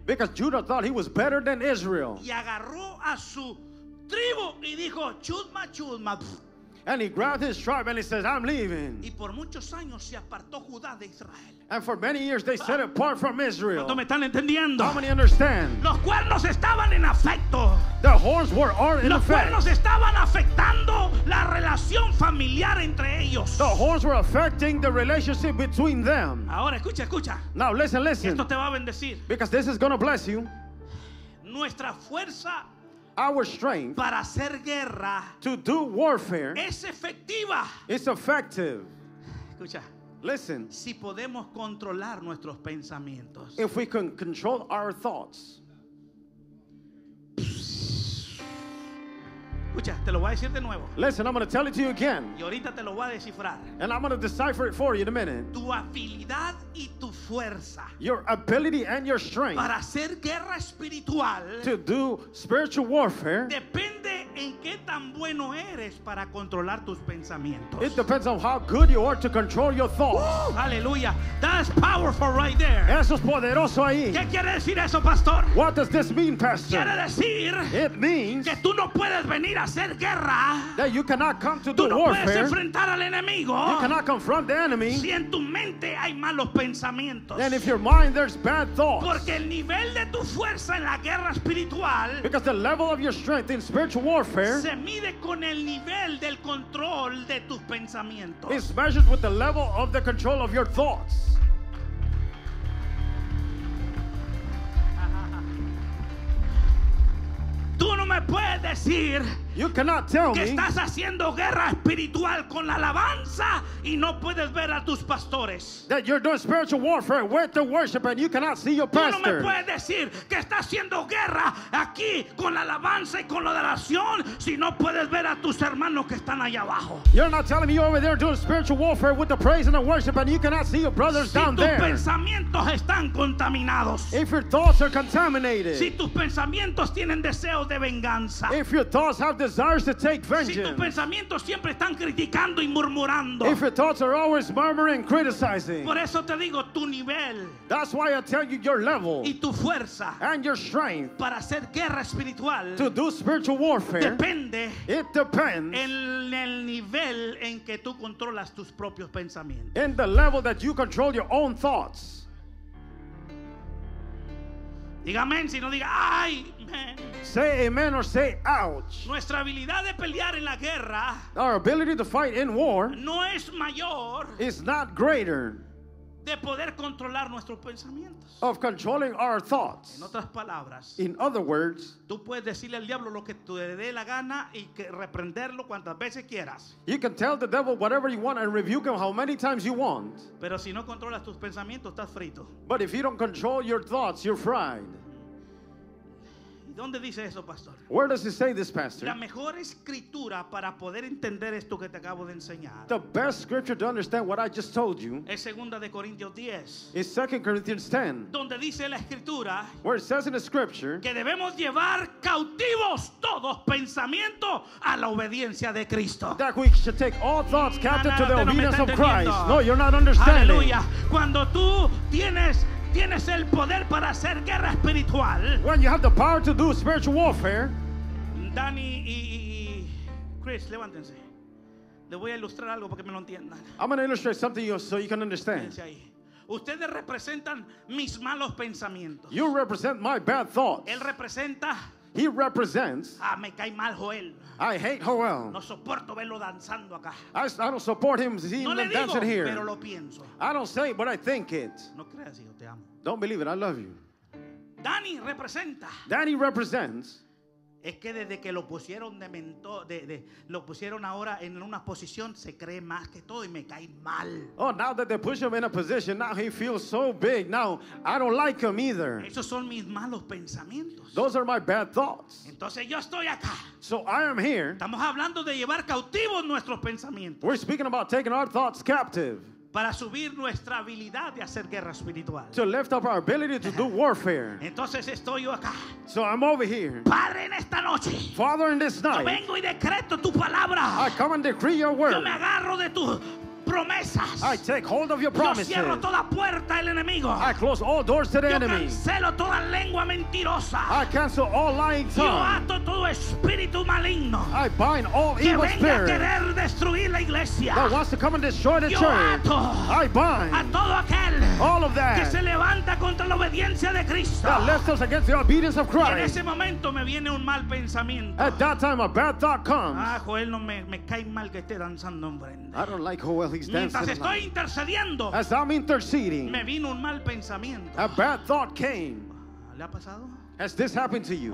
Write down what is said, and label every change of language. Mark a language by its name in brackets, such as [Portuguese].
[English] Because Judah thought he was better than Israel. [Spanish] Y agarró a su tribu y dijo, chusma, chusma. [English] And he grabbed his tribe and he says, I'm leaving. [Spanish] Y por muchos años se apartó Judá de Israel. [English] And for many years they set apart from Israel. [Spanish] ¿Cuánto me están entendiendo? [English] How many understand? [Spanish] Los cuernos estaban en afecto. [English] The horns were all in [Spanish] los [English] effect. [Spanish] Cuernos estaban afectando la relación familiar entre ellos. [English] The horns were affecting the relationship between them. [Spanish] Ahora escucha. [English] Now listen. [Spanish] Esto te va a bendecir. [English] Because this is going to bless you. [Spanish] Nuestra fuerza. [English] Our strength. [Spanish] Para hacer guerra. [English] To do warfare. [Spanish] Es efectiva. [English] It's effective. [Spanish] Escucha. [English] Listen. [Spanish] Si podemos controlar nuestros pensamientos. [English] If we can control our thoughts. [Spanish] Escucha, te lo voy a decir de nuevo. [English] Listen, I'm going to tell it to you again. [Spanish] Y ahorita te lo voy a descifrar. [English] And I'm going to decipher it for you in a minute. [Spanish] Tu habilidad y tu fuerza. [English] Your ability and your strength. [Spanish] Para hacer guerra espiritual. [English] To do spiritual warfare. [Spanish] Depende en qué tan bueno eres para controlar tus pensamientos. [English] It depends on how good you are to control your thoughts. Hallelujah. That's powerful right there. [Spanish] Eso es poderoso ahí. ¿Qué quiere decir eso, pastor? [English] What does this mean, pastor? [Spanish] Quiere decir [English] it means [Spanish] que tú no puedes venir a hacer guerra. [English] That you cannot come to [Spanish] tú no [English] warfare. [Spanish] Tú no puedes enfrentar al enemigo. [English] You cannot confront the enemy. [Spanish] Si en tu mente hay malos pensamientos. [English] And if your mind there's bad thoughts. [Spanish] Porque el nivel de tu fuerza en la guerra espiritual. [English] Because the level of your strength in spiritual warfare. [Spanish] Se mide con el nivel del control de tus pensamientos. [English] It's measured with the level of the control of your thoughts. [Spanish] Tú no me puedes decir [English] you cannot tell [Spanish] que me estás haciendo guerra espiritual con la alabanza y no puedes ver a tus pastores. [English] That you're doing spiritual warfare with the worship and you cannot see your pastors. [Spanish] Tú no me puedes decir que estás haciendo guerra aquí con la alabanza y con la adoración si no puedes ver a tus hermanos que están allá abajo. [English] You're not telling me you're over there doing spiritual warfare with the praise and the worship and you cannot see your brothers [Spanish] si [English] down there. [Spanish] Si tus pensamientos están contaminados. [English] If your thoughts are contaminated. [Spanish] Si tus pensamientos tienen deseos de venganza. [English] If your thoughts have desires to take vengeance. [Spanish] Si tus pensamientos siempre están criticando y murmurando. [English] If your thoughts are always murmuring and criticizing. [Spanish] Por eso te digo tu nivel. [English] That's why I tell you your level. [Spanish] Y tu fuerza. [English] And your strength. [Spanish] Para hacer guerra espiritual. [English] To do spiritual warfare. [Spanish] Depende. [English] It depends. [Spanish] En el nivel en que tú controlas tus propios pensamientos. [English] In the level that you control your own thoughts. [Spanish] Diga amén, si no diga ay. [English] Say amen or say ouch. [Spanish] Nuestra habilidad de pelear en la guerra, [English] our ability to fight in war, [Spanish] no es mayor, [English] is not greater, [Spanish] de poder controlar nuestros pensamientos, [English] of controlling our thoughts. [Spanish] En otras palabras, [English] in other words, [Spanish] tú puedes decirle al diablo lo que tú le dé la gana y reprenderlo cuantas veces quieras. [English] You can tell the devil whatever you want and rebuke him how many times you want. [Spanish] Pero si no controlas tus pensamientos, estás frito. [English] But if you don't control your thoughts, you're fried. [Spanish] ¿Dónde dice eso, pastor? [English] Where does it say this, pastor? [Spanish] La mejor escritura para poder entender esto que te acabo de enseñar. [English] The best scripture to understand what I just told you. [Spanish] Es segunda de Corintios 10. [English] Is 2 Corinthians 10. [Spanish] Donde dice la escritura. [English] Where it says in the scripture. [Spanish] Que debemos llevar cautivos todos pensamientos a la obediencia de Cristo. [English] That we should take all thoughts captive to the obedience of Christ. No, you're not understanding. [Spanish] Aleluya. Cuando tú tienes el poder para hacer guerra espiritual. [English] When you have the power to do spiritual warfare. [Spanish] Danny y Chris, levántense. Le voy a ilustrar algo para que me lo entiendan. [English] I'm going to illustrate something so you can understand. [Spanish] Ustedes representan mis malos pensamientos. [English] You represent my bad thoughts. [Spanish] Él representa. [English] He represents. [Spanish] Ah, me cae mal Joel. [English] I hate Joel. [Spanish] No soporto verlo danzando acá. [English] I don't support him seeing [Spanish] no [English] him dancing here. [Spanish] Pero lo pienso. [English] I don't say it, but I think it. [Spanish] No creas, hijo, te amo. [English] Don't believe it. I love you. [Spanish] Danny representa. [English] Danny represents. [Spanish] Es que desde que lo pusieron de mentor, lo pusieron ahora en una posición, se cree más que todo y me cae mal. [English] Oh, now that they push him in a position, now he feels so big. Now, I don't like him either. [Spanish] Esos son mis malos pensamientos. [English] Those are my bad thoughts. [Spanish] Entonces yo estoy acá. [English] So I am here. [Spanish] Estamos hablando de llevar cautivos nuestros pensamientos. [English] We're speaking about taking our thoughts captive. [Spanish] Para subir nuestra habilidad de hacer guerra espiritual. [English] To lift up our ability to do warfare. [Spanish] Entonces estoy yo acá. [English] So I'm over here. [Spanish] Padre, en esta noche. [English] Father, in this night. [Spanish] Yo vengo y decreto tu palabra. [English] I come and decree your word. [Spanish] Yo me agarro de tu promesas. [English] I take hold of your promises. [Spanish] Yo cierro toda puerta al enemigo. [English] I close all doors to the enemy. [Spanish] Yo cancelo toda lengua mentirosa. [English] I cancel all lying tongue. [Spanish] Yo ato todo espíritu maligno. [English] I bind all evil spirits. [Spanish] Que venga a querer destruir la iglesia. [English] That wants to come and destroy the [Spanish] yo [English] church. [Spanish] Yo ato. [English] I bind. [Spanish] A todo aquel. [English] All of that. [Spanish] Que se levanta contra la obediencia de Cristo. [English] That lifts us against the obedience of Christ. [Spanish] Y en ese momento me viene un mal pensamiento. [English] At that time a bad thought comes. [Spanish] Ah, Joel, no me cae mal que esté danzando en frente. [English] I don't like Joel. [Spanish] Mientras estoy intercediendo, [English] as I'm interceding, [Spanish] me vino un mal pensamiento. [English] A bad thought came. [Spanish] ¿Le ha pasado? [English] Has this happened to you?